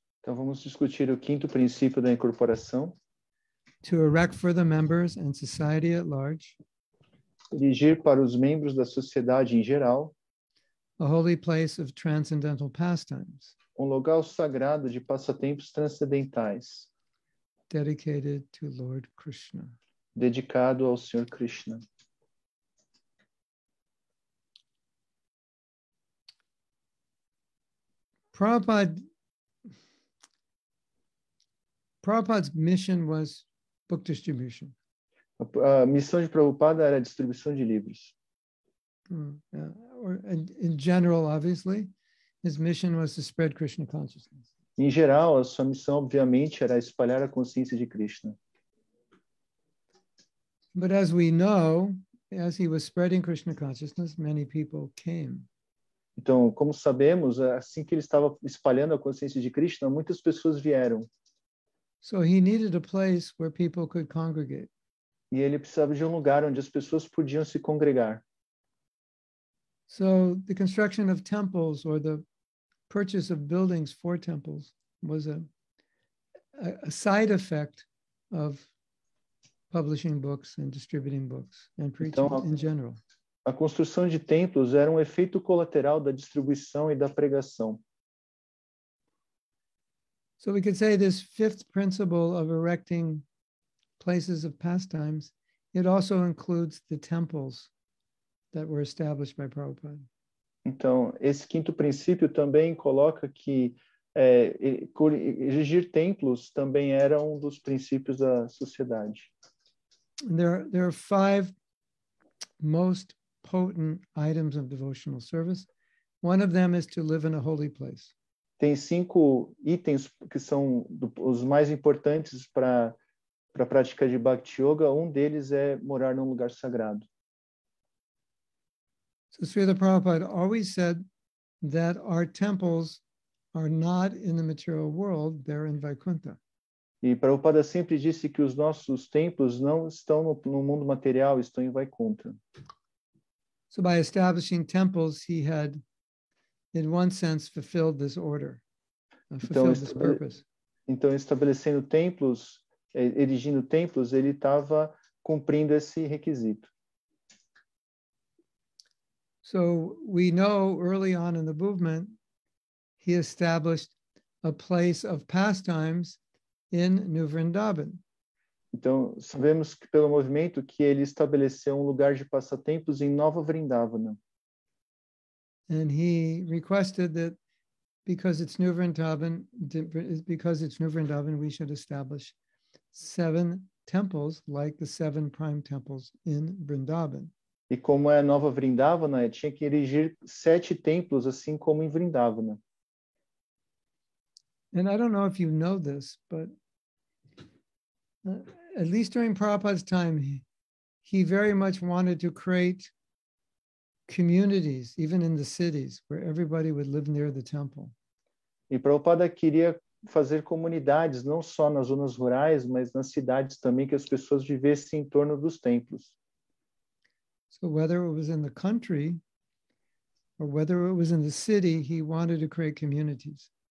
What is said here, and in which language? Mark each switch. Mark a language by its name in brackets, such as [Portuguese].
[Portuguese] Então vamos discutir o quinto princípio da incorporação. [English] To erect for the members and society at large. [Portuguese] Erigir para os membros da sociedade em geral. [English] A holy place of transcendental pastimes. [Portuguese] Local sagrado de passatempos transcendentais. [English] Dedicated to Lord Krishna. [Portuguese] Dedicado ao Senhor Krishna. [English] Prabhupada's mission was book distribution. [Portuguese] A missão de Prabhupada era a distribuição de livros. [English] In general, obviously, his mission was to spread Krishna consciousness. [Portuguese] Em geral, a sua missão, obviamente, era espalhar a consciência de Krishna. [English] But as we know, as he was spreading Krishna consciousness, many people came. [Portuguese] Então, como sabemos, assim que ele estava espalhando a consciência de Krishna, muitas pessoas vieram. [English] So he needed a place where people could congregate. [Portuguese] E ele precisava de um lugar onde as pessoas podiam se congregar. [English] So the construction of temples or the purchase of buildings for temples was a side effect of publishing books and distributing books and preaching [Portuguese] então, [English] in general. [Portuguese] A construção de templos era um efeito colateral da distribuição e da pregação. [English] So we could say this fifth principle of erecting places of pastimes, it also includes the temples that were established by Prabhupada. [Portuguese] Então, esse quinto princípio também coloca que erigir templos também era um dos princípios da sociedade. [English] There are five most potent items of devotional service. One of them is to live in a holy place. [Portuguese] Tem cinco itens que são os mais importantes para a prática de Bhakti Yoga. Um deles é morar num lugar sagrado. [English] So Srila Prabhupada always said that our temples are not in the material world, they're in Vaikuntha. [Portuguese] E Prabhupada sempre disse que os nossos templos não estão no mundo material, estão em Vaikuntha. [English] So by establishing temples, he had, in one sense, fulfilled this order, this purpose. [Portuguese] Então, estabelecendo templos, erigindo templos, ele estava cumprindo esse requisito. [English] So we know early on in the movement, he established a place of pastimes in New Vrindavan. [Portuguese] Então, sabemos que pelo movimento que ele estabeleceu um lugar de passatempos em Nova Vrindavana. [English] And he requested that because it's New Vrindavan, we should establish seven temples, like the seven prime temples in Vrindavan. [Portuguese] E como é Nova Vrindavana, tinha que erigir sete templos, assim como em Vrindavana. [English] And I don't know if you know this, but at least during Prabhupada's time, he very much wanted to create communities, even in the cities, where everybody would live near the temple. [Portuguese] E Prabhupada queria fazer comunidades, não só nas zonas rurais, mas nas cidades também, que as pessoas vivessem em torno dos templos. [English] So whether it was in the country, or whether it was in the city, he wanted to create communities.